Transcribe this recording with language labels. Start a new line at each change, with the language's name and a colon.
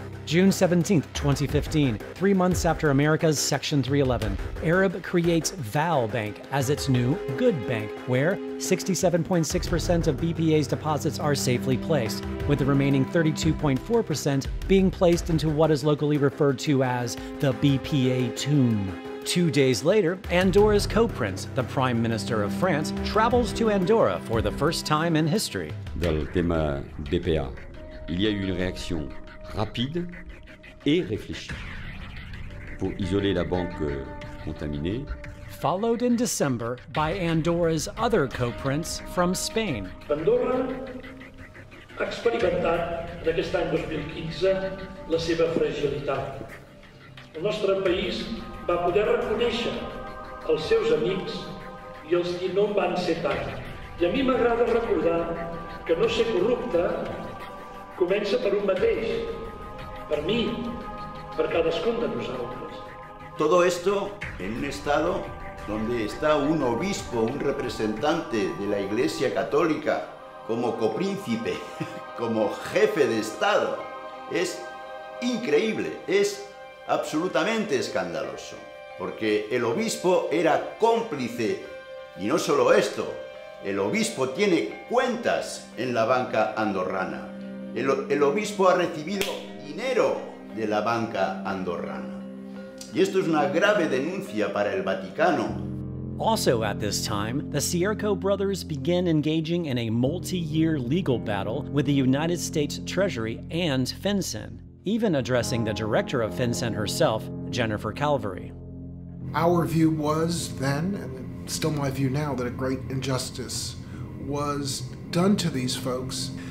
English: June 17, 2015, 3 months after America's Section 311, Arab creates Val Bank as its new good bank, where 67.6% of BPA's deposits are safely placed, with the remaining 32.4% being placed into what is locally referred to as the BPA tomb. 2 days later, Andorra's co-prince, the Prime Minister of France, travels to Andorra for the first time in history.
French: Dans le thème BPA, il y a eu une réaction rapide et réfléchie pour isoler la banque contaminée.
English: Followed in December by Andorra's other co-prince from Spain.
Catalan: Andorra ha experimentat en aquest any 2015 la seva fragilitat. El nostre país va poder reconèixer els seus amics i els qui no en van ser tant. I a mi m'agrada recordar que no ser corrupte comença per un mateix, per mi, per cadascun de nosaltres.
Spanish: Todo esto en un estado donde está un obispo, un representante de la Iglesia Católica, como copríncipe, como jefe de Estado. Es increíble, es absolutamente escandaloso, porque el obispo era cómplice, y no solo esto, el obispo tiene cuentas en la banca andorrana. El obispo ha recibido dinero de la banca andorrana. Y esto es una grave denuncia para el Vaticano.
English: Also at this time, the Cierco brothers begin engaging in a multi-year legal battle with the United States Treasury and FinCEN, even addressing the director of FinCEN herself, Jennifer Calvary. Our view was then, and it's still my view now, that a great injustice was done to these folks.